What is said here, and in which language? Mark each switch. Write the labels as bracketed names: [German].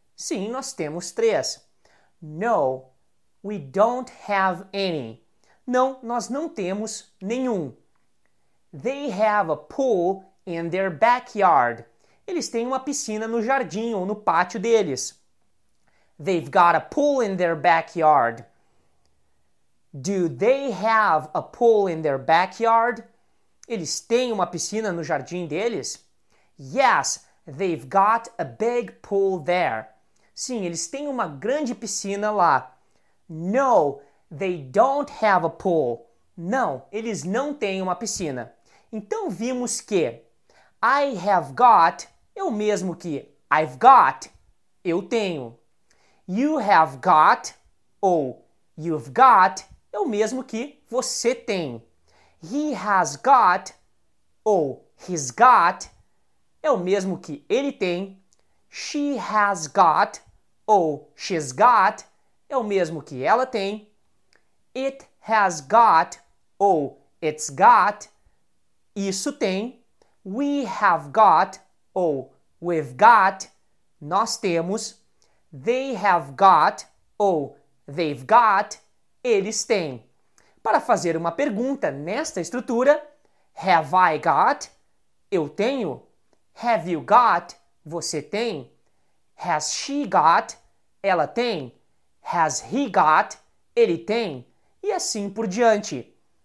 [Portuguese] Sim, nós temos 3. [English] No, we don't have any. [Portuguese] Não, nós não temos nenhum. [English] They have a pool in their backyard. [Portuguese] Eles têm uma piscina no jardim ou no pátio deles. [English] They've got a pool in their backyard. Do they have a pool in their backyard? [Portuguese] Eles têm uma piscina no jardim deles? [English] Yes, they've got a big pool there. [Portuguese] Sim, eles têm uma grande piscina lá. [English] No, they don't have a pool. [Portuguese] Não, eles não têm uma piscina. Então vimos que [English] I have got [Portuguese] é o mesmo que [English] I've got, [Portuguese] eu tenho. [English] You have got [Portuguese] ou [English] you've got [Portuguese] é o mesmo que você tem. [English] He has got [Portuguese] ou [English] he's got [Portuguese] é o mesmo que ele tem. [English] She has got [Portuguese] ou [English] she's got [Portuguese] é o mesmo que ela tem. [English] It has got [Portuguese] ou [English] it's got, [Portuguese] isso tem. [English] We have got [Portuguese] ou [English] we've got, [Portuguese] nós temos. [English] They have got [Portuguese] ou [English] they've got, [Portuguese] eles têm. Para fazer uma pergunta nesta estrutura, [English] have I got, [Portuguese] eu tenho. [English] Have you got, [Portuguese] você tem. [English] Has she got, [Portuguese] ela tem. [English] Has he got, [Portuguese] ele tem. E assim por diante.